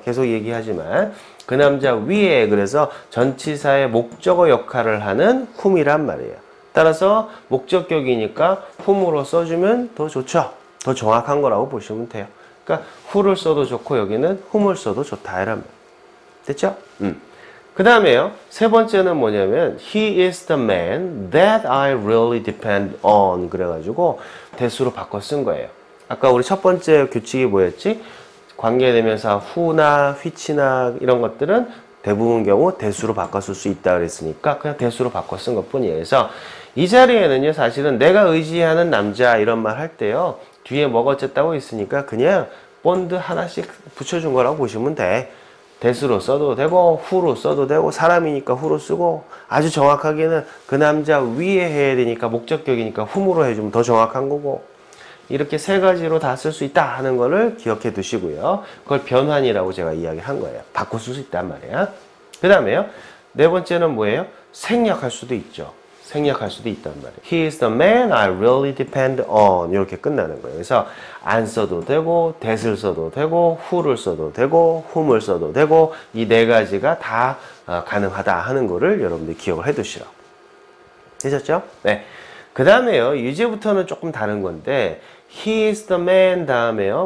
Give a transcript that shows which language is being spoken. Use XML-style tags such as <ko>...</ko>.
<ko>계속 얘기하지만. 그 남자 위에, 그래서 전치사의 목적어 역할을 하는 whom이란 말이에요. 따라서 목적격이니까 whom으로 써주면 더 좋죠. 더 정확한 거라고 보시면 돼요. 그러니까 who를 써도 좋고 여기는 whom을 써도 좋다. 이란 말이에요. 됐죠? 그 다음에요. 세 번째는 뭐냐면</ko> <en>He is the man that I really depend on.</en> <ko>그래가지고 대수로 바꿔 쓴 거예요. 아까 우리 첫 번째 규칙이 뭐였지? 관계대명사 후나 휘치나 이런 것들은 대부분 경우 대수로 바꿔 쓸 수 있다 그랬으니까 그냥 대수로 바꿔 쓴 것뿐이에요. 그래서 이 자리에는요, 사실은 내가 의지하는 남자 이런 말 할 때요, 뒤에 뭐가 어쨌다고 있으니까 그냥 본드 하나씩 붙여준 거라고 보시면 돼. 대수로 써도 되고 후로 써도 되고, 사람이니까 후로 쓰고, 아주 정확하게는 그 남자 위에 해야 되니까 목적격이니까 훔으로 해주면 더 정확한 거고, 이렇게 세 가지로 다 쓸 수 있다 하는 거를 기억해 두시고요. 그걸 변환이라고 제가 이야기한 거예요. 바꿔 쓸 수 있단 말이야. 그 다음에요. 네 번째는 뭐예요? 생략할 수도 있죠. 생략할 수도 있단 말이에요.</ko> <en>He is the man I really depend on.</en> <ko>이렇게 끝나는 거예요. 그래서 안 써도 되고, that을 써도 되고, who를 써도 되고, whom을 써도 되고, 이 네 가지가 다 가능하다 하는 거를 여러분들이 기억을 해 두시라고. 되셨죠? 네. 그 다음에요. 이제부터는 조금 다른 건데,</ko> <en>He is the man</en> <ko>다음에요.</ko>